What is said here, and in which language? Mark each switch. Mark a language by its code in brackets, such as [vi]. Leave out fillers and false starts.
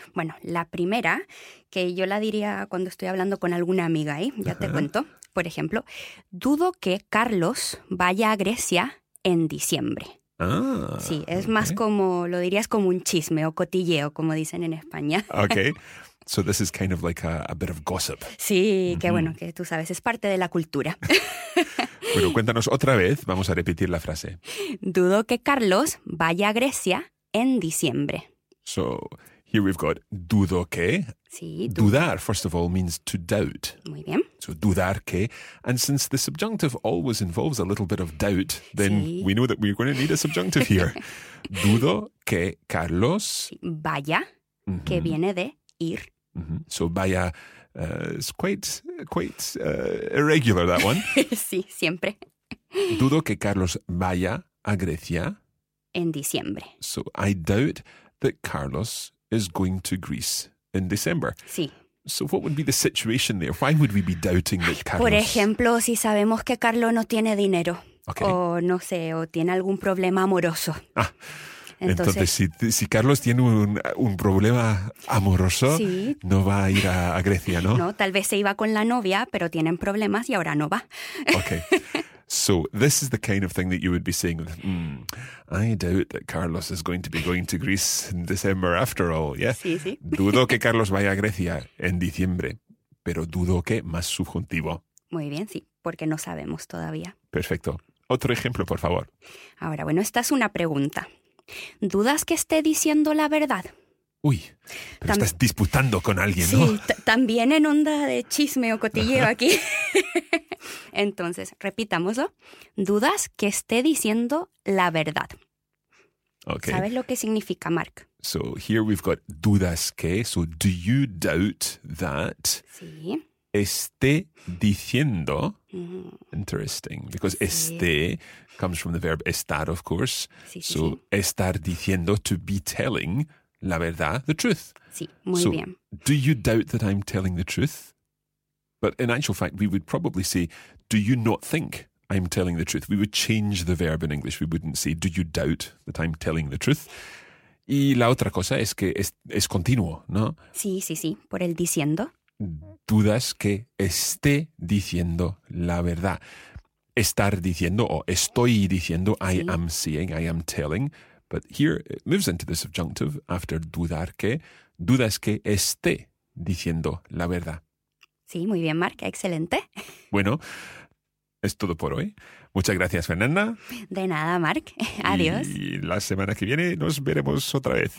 [es] Bueno, la primera, que yo la diría cuando estoy hablando con alguna amiga, ¿eh? Ya Ajá. Te cuento. Por ejemplo, dudo que Carlos vaya a Grecia en diciembre. Ah. Sí, es okay. Más como, lo dirías como un chisme o cotilleo, como dicen en España. Ok. [en] So this is kind of like a bit of gossip. [es] Sí, qué bueno que tú sabes, es parte de la cultura. Bueno, cuéntanos otra vez, vamos a repetir la frase. Dudo que Carlos vaya a Grecia en diciembre. [en] So, here we've got [es] dudo que. Sí, [en] dudar, first of all, means to doubt. [es] Muy bien. [en] So, dudar que. And since the subjunctive always involves a little bit of doubt, then sí. We know that we're going to need a subjunctive here. [es] Dudo que Carlos vaya, que viene de ir. [en] So, vaya is quite irregular, that one. [es] Sí, siempre. Dudo que Carlos vaya a Grecia en diciembre. [en] So I doubt that Carlos is going to Greece in December. [es] Sí. [en] So what would be the situation there? Why would we be doubting that Carlos... [es] Por ejemplo, si sabemos que Carlos no tiene dinero. Okay. O no sé, o tiene algún problema amoroso. Ah. Entonces, si Carlos tiene un problema amoroso, sí. No va a ir a Grecia, ¿no? No, tal vez se iba con la novia, pero tienen problemas y ahora no va. Okay. [en] So this is the kind of thing that you would be saying, I doubt that Carlos is going to be going to Greece in December after all, yeah? [es] Sí, sí. Dudo que Carlos vaya a Grecia en diciembre, pero dudo que más subjuntivo. Muy bien, sí, porque no sabemos todavía. Perfecto. Otro ejemplo, por favor. Ahora, bueno, esta es una pregunta. ¿Dudas que esté diciendo la verdad? Uy, pero estás disputando con alguien, ¿no? Sí, también en onda de chisme o cotilleo aquí. Entonces, repitámoslo. ¿Dudas que esté diciendo la verdad? Okay. ¿Sabes lo que significa, Mark? [en] So, here we've got [es] dudas que. [en] So, do you doubt that [es] sí. Esté diciendo? [en] Interesting. Because sí. Esté comes from the verb estar, of course. [es] Sí, [en] so, [es] sí. Estar diciendo, [en] to be telling [es] la verdad, [en] the truth. [es] Sí, muy [en] so, [es] bien. [en] Do you doubt that I'm telling the truth? But in actual fact, we would probably say, do you not think I'm telling the truth? We would change the verb in English. We wouldn't say, do you doubt that I'm telling the truth? [es] Y la otra cosa es que es continuo, ¿no? Sí, sí, sí, por el diciendo. Dudas que esté diciendo la verdad. Estar diciendo o estoy diciendo, sí. [en] I am seeing, I am telling. But here it moves into the subjunctive after [es] dudar que. Dudas que esté diciendo la verdad. Sí, muy bien, Mark, excelente. Bueno, es todo por hoy. Muchas gracias, Fernanda. De nada, Mark. Adiós. Y la semana que viene nos veremos otra vez.